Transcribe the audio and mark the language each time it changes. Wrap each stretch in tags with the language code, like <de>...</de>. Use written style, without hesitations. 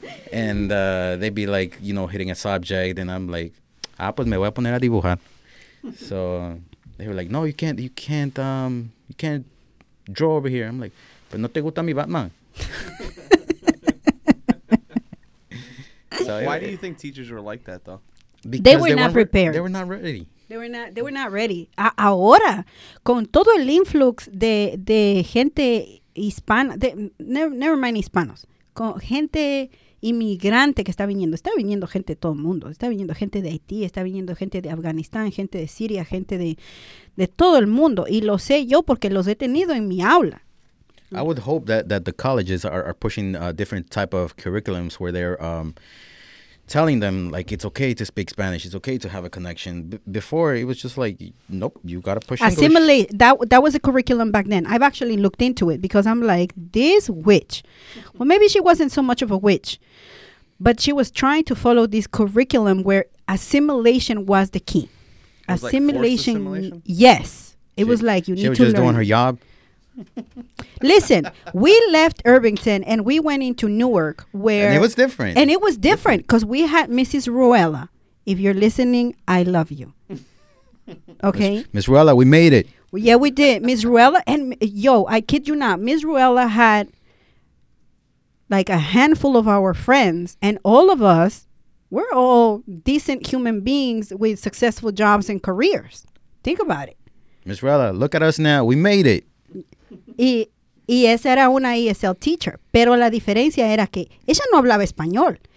<en>And they'd be like, you know, hitting a subject, and I'm like,</en> <es>pues me voy a poner a dibujar.</es> <en>So they were like, no, you can't draw over here. I'm like, but</en> <es>no te gusta mi Batman.</es> <en>So why do you think teachers were like that, though? Because they were not prepared. They were not ready. They were not ready.</en> <es>Ahora, con todo el influx de gente hispana,</es> <en>never mind</en> <es>hispanos, con gente inmigrante que está viniendo gente de todo el mundo, está viniendo gente de Haití, está viniendo gente de Afganistán, gente de Siria, gente de todo el mundo, y lo sé yo porque los he tenido en mi aula.</es> <en>I would hope that the colleges are pushing different type of curriculums where they're telling them, like, it's okay to speak Spanish, it's okay to have a connection. Before, it was just like, nope, you got to push assimilate. English. That was a curriculum back then. I've actually looked into it because I'm like, this witch. Well, maybe she wasn't so much of a witch, but she was trying to follow this curriculum where assimilation was the key. Assimilation? Yes. It was like, you need to learn. She was just doing her job. Listen, we left Irvington and we went into Newark where and it was different. And it was different because we had Mrs. Ruella. If you're listening, I love you. Okay? Miss Ruella, we made it. Well, yeah, we did. Miss Ruella, and yo, I kid you not, Miss Ruella had like a handful of our friends, and all of us, we're all decent human beings with successful jobs and careers. Think about it. Miss Ruella, look at us now. We made it.</en> <es>Y esa era una ESL teacher, pero la diferencia era que ella no hablaba español.</es>